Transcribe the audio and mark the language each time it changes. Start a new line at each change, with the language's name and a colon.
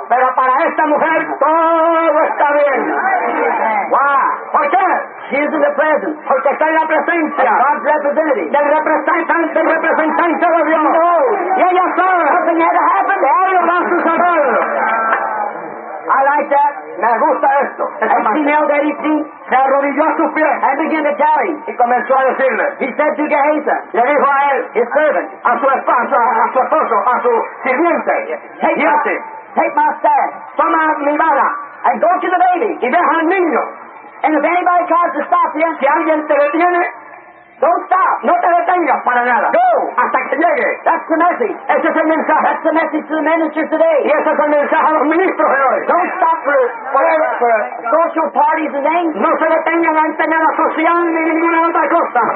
Spanish: Pero para esta mujer, todo está bien.
English: Why?
Spanish: ¿Por qué?
English: She is in the presence.
Spanish: Porque está en la presencia.
English: God's representative.
Spanish: Del representante, representante de Dios.
English: No.
Spanish: Y ella sabe.
English: Something had to happen.
Spanish: Algo va a suceder.
English: I like that.
Spanish: Me gusta esto.
English: And she knelt at his feet.
Spanish: Se arrodilló a sus pies.
English: And began to tell him.
Spanish: Y comenzó a decirle.
English: He said to Gehazi.
Spanish: Le dijo a él.
English: His servant.
Spanish: A su esposo. A su esposo. A su sirviente.
English: Take my staff.
Spanish: Toma mi vara.
English: And go to the baby.
Spanish: Y deja al niño.
English: And if anybody tries to stop you.
Spanish: Si alguien te detiene.
English: Don't stop.
Spanish: No te detengas para nada.
English: Go.
Spanish: Hasta que llegue.
English: That's the message.
Spanish: Ese es el mensaje.
English: That's the message to the ministers today.
Spanish: Y ese es el mensaje a los ministros de hoy.
English: Don't stop for social parties and things.
Spanish: No se detengan ante nada social ni ninguna otra cosa.